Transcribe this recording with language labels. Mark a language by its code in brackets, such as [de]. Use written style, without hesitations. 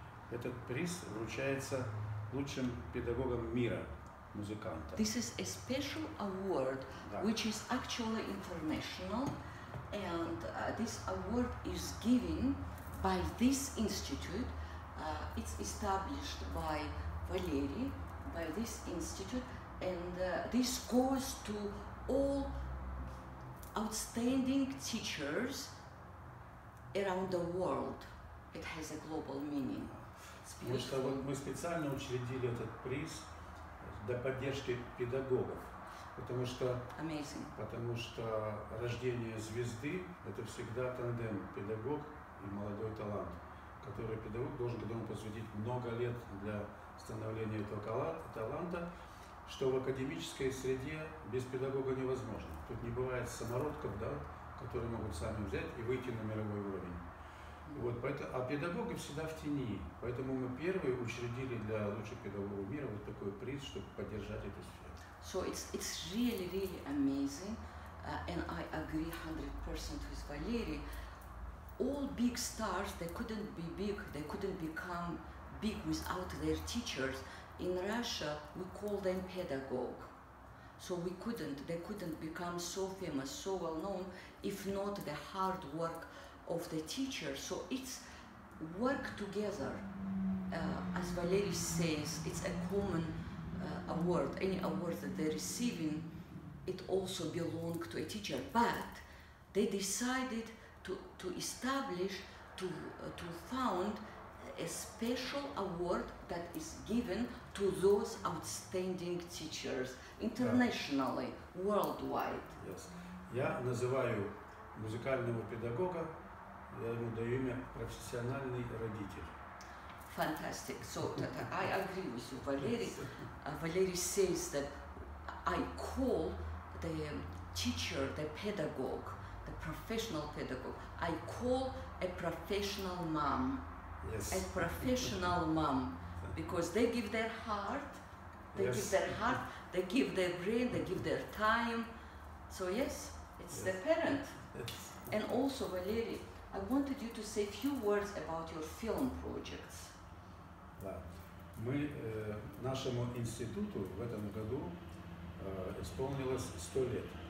[ru] Этот приз вручается лучшим педагогам мира, музыкантам. [en] This is a special award, which is actually international, and this award is given by this institute. It's established by Valery, by this institute, and this goes to all outstanding teachers around the world. It has a global meaning. [ru] Потому что вот мы специально учредили этот приз для поддержки педагогов, потому что [en] amazing. [ru] Потому что рождение звезды — это всегда тандем педагог и молодой талант, который педагог должен потом посвятить много лет для становления этого таланта, что в академической среде без педагога невозможно. Тут не бывает самородков, да, которые могут сами взять и выйти на мировой уровень. Вот, поэтому, а педагоги всегда в тени, поэтому мы первые учредили для лучших педагогов мира вот такой приз, чтобы поддержать эту сферу. [en] So it's really, really amazing, and I agree 100% with Valery. All big stars, they couldn't be big, they couldn't become big without their teachers. In Russia, we call them pedagogue. So we couldn't, they couldn't become so famous, so well known, if not the hard work of the teacher. So it's work together. As Valery says, it's a common award. Any award that they're receiving, it also belongs to a teacher. But they decided to establish, to found a special award that is given to those outstanding teachers internationally, worldwide. Yes. [ru] Я называю музыкального педагога, я ему даю имя профессиональный родитель. [en] Fantastic. So that I agree with you, Valery. Valery says that I call the teacher, the pedagogue, the professional pedagogue. I call a professional mom. Yes. A professional mom. Because they give their heart, They give their heart, they give their brain, they give their time. So yes, it's the parent. And also, Valery, I wanted you to say a few words about your film projects. [ru] Мы нашему институту в этом году исполнилось 100 лет.